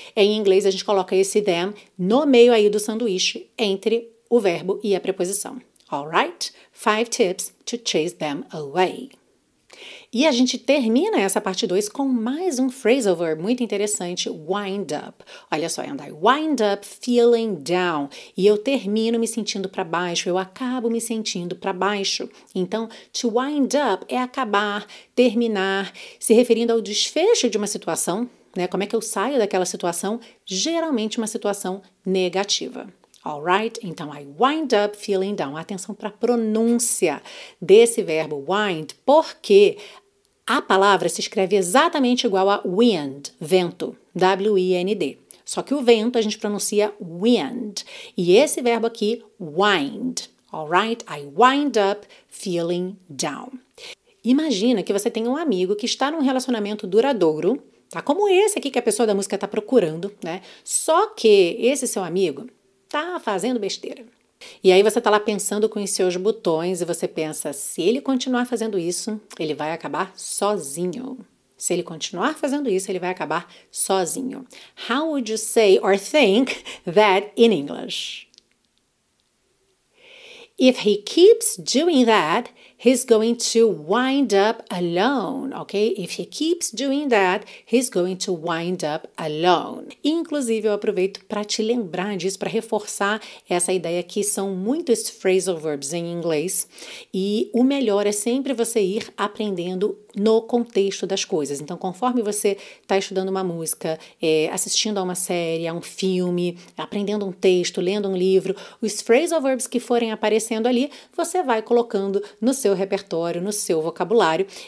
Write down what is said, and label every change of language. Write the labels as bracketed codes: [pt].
[pt] Em inglês, a gente coloca esse them no meio aí do sanduíche, entre o verbo e a preposição. Alright? [en] 5 tips to chase them away. [pt] E a gente termina essa parte 2 com mais um phrasal verb muito interessante, wind up. Olha só, [en] and I wind up feeling down. [pt] E eu termino me sentindo para baixo, eu acabo me sentindo para baixo. Então, to wind up é acabar, terminar, se referindo ao desfecho de uma situação, né? Como é que eu saio daquela situação? Geralmente uma situação negativa. [en] Alright, então I wind up feeling down. [pt] Atenção para a pronúncia desse verbo wind, porque a palavra se escreve exatamente igual a wind, vento, W-I-N-D. Só que o vento a gente pronuncia wind. E esse verbo aqui, wind. [en] Alright, I wind up feeling down. [pt] Imagina que você tem um amigo que está num relacionamento duradouro, tá? Como esse aqui que a pessoa da música está procurando, né? Só que esse seu amigo tá fazendo besteira. E aí você tá lá pensando com os seus botões e você pensa, se ele continuar fazendo isso, ele vai acabar sozinho. Se ele continuar fazendo isso, ele vai acabar sozinho. [en] How would you say or think that in English? If he keeps doing that, he's going to wind up alone, ok? If he keeps doing that, he's going to wind up alone. [pt] Inclusive, eu aproveito para te lembrar disso, para reforçar essa ideia que são muitos phrasal verbs em inglês. E o melhor é sempre você ir aprendendo no contexto das coisas. Então, conforme você está estudando uma música, assistindo a uma série, a um filme, aprendendo um texto, lendo um livro, os phrasal verbs que forem aparecendo ali, você vai colocando no seu repertório, no seu vocabulário.